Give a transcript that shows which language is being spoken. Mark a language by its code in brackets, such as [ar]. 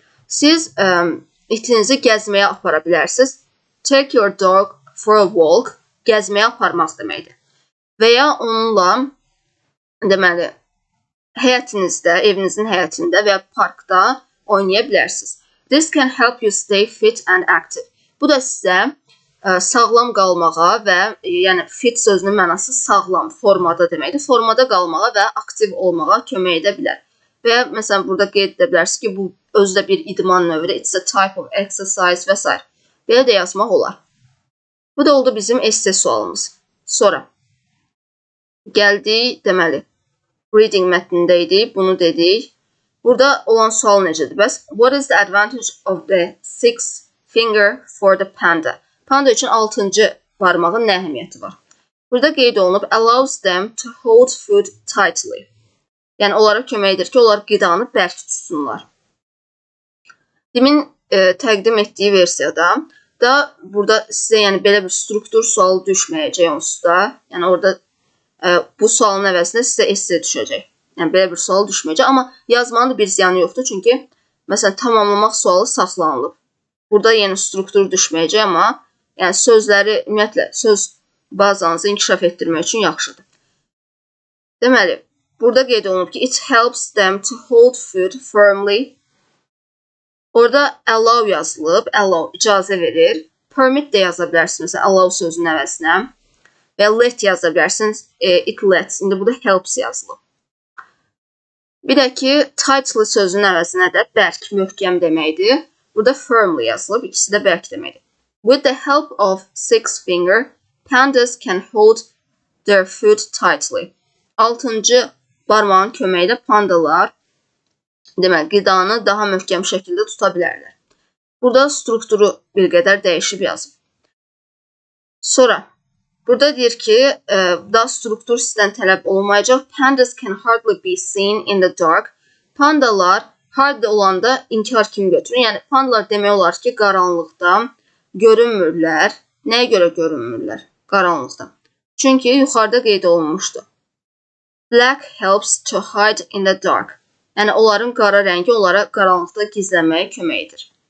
[az] Siz itinizi gəzməyə apara bilərsiniz. [en] Take your dog for a walk, [az] gəzməyə aparmaq deməkdir. Və ya onunla, deməli, həyətinizdə, evinizin həyətində və ya parkda oynaya bilərsiniz. [en] This can help you stay fit and active. [az] Bu da sizə sağlam qalmağa və, yəni, fit sözünün mənası sağlam formada deməkdir. Formada qalmağa və aktiv olmağa kömək edə bilər. Və ya, məsələn, burada qeyd edə bilərsiniz ki, bu özü də bir idman növüdür. [en] It's a type of exercise [az] və s. Belə də yazmaq olar. Bu da oldu bizim esse sualımız. Sonra gəldi, deməli, reading mətnində idi, bunu dedik. Burada olan sual necədir? [en] Bəs, what is the advantage of the sixth finger for the panda? [az] Panda üçün 6-cı barmağın nə əhəmiyyəti var? Burada qeyd olunub, [en] allows them to hold food tightly. [az] Yəni, onlara kömək edir ki, onlar qidanı bərk tutsunlar. Demin təqdim etdiyi versiyada da burada sizə yəni belə bir struktur sualı düşməyəcək onsuz da. Yəni orada bu sualın əvəzində sizə esse düşəcək. Yəni belə bir sual düşməyəcək, amma yazmanın da bir ziyanı yoxdur, çünki məsələn tamamlamaq sualı saxlanılıb. Burada yeni struktur düşməyəcək, amma yəni sözləri ümumiyyətlə söz bazanızı inkişaf etdirmək üçün yaxşıdır. Deməli, burada qeyd olunub ki, [en] it helps them to hold food firmly. [az] Orada allow yazılıb, allow icazə verir. Permit də yaza bilərsiniz, allow sözünün əvəzinə. Və let yaza bilərsiniz, it lets. İndi burada helps yazılıb. Bir də ki, tightly sözünün əvəzinə də bərk, möhkəm deməkdir. Burada firmly yazılıb, ikisi də bərk deməkdir. [en] With the help of six finger, pandas can hold their food tightly. [az] Altıncı barmağın köməyi ilə pandalar, deməli, qidanı daha möhkəm şəkildə tuta bilərlər. Burada strukturu bir qədər dəyişib yazıb. Sonra, burada deyir ki, daha struktur sizdən tələb olmayacaq. [en] Pandas can hardly be seen in the dark. [az] Pandalar hardly olanda inkar kimi götürür. Yəni, pandalar demək olar ki, qaranlıqda görünmürlər. Nəyə görə görünmürlər qaranlıqda? Çünki yuxarıda qeyd olunmuşdur. [en] Black helps to hide in the dark. [az] Yəni, onların qara rəngi olaraq qaranlıqda gizlənməyə köməkdir.